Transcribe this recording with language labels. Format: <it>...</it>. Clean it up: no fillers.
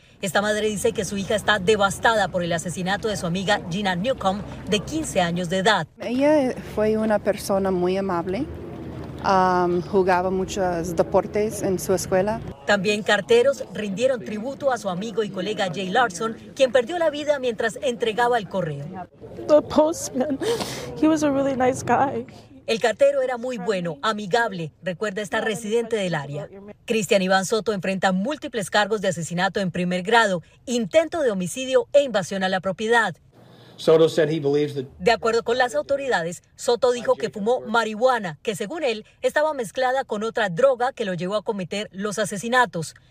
<es>Esta madre dice que su hija está devastada por el asesinato de su amiga Gina Newcomb, de 15 años de edad. Ella fue una persona muy amable. Jugaba muchos deportes en su escuela. También carteros rindieron tributo a su amigo y colega Jay Larson, quien perdió la vida mientras entregaba el correo.</es> <en>The postman, he was a really nice guy.</en> <es>El cartero era muy bueno, amigable, recuerda esta residente del área. Cristian Iván Soto enfrenta múltiples cargos de asesinato en primer grado, intento de homicidio e invasión a la propiedad.</es> <en>Soto said he believes that.</en> <es>De acuerdo con las autoridades, Soto dijo que fumó marihuana, que según él estaba mezclada con otra droga que lo llevó a cometer los asesinatos.</es>